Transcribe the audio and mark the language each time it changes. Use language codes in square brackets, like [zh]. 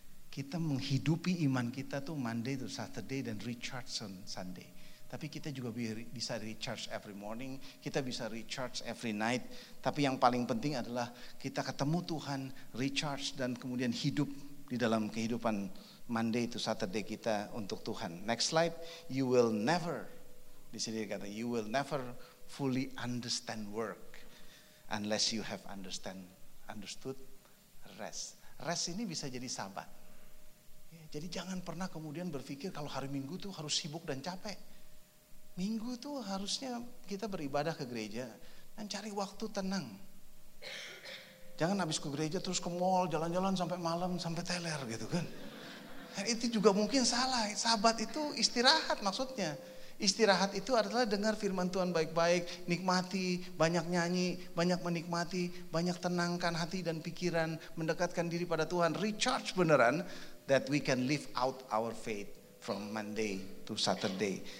[id] Kita menghidupi iman kita tuh [en] Monday to Saturday [id] dan [en] recharge on Sunday. [id] Tapi kita juga bisa [en] recharge every morning, [id] kita bisa [en] recharge every night. [id] Tapi yang paling penting adalah kita ketemu Tuhan, recharge dan kemudian hidup di dalam kehidupan [en] Monday to Saturday [id] kita untuk Tuhan. [en] Next slide, you will never, [id] di sini kata, [en] you will never fully understand work unless you have understood rest. [id] Rest ini bisa jadi sabat. Jadi jangan pernah kemudian berpikir kalau hari Minggu tuh harus sibuk dan capek. Minggu tuh harusnya kita beribadah ke gereja dan cari waktu tenang. Jangan habis ke gereja terus ke mall, jalan-jalan sampai malam, sampai teler gitu kan. Dan itu juga mungkin salah. Sabat itu istirahat maksudnya. Istirahat itu adalah dengar firman Tuhan baik-baik, nikmati, banyak nyanyi, banyak menikmati, banyak tenangkan hati dan pikiran, mendekatkan diri pada Tuhan, recharge beneran. [en] That we can live out our faith from Monday to Saturday.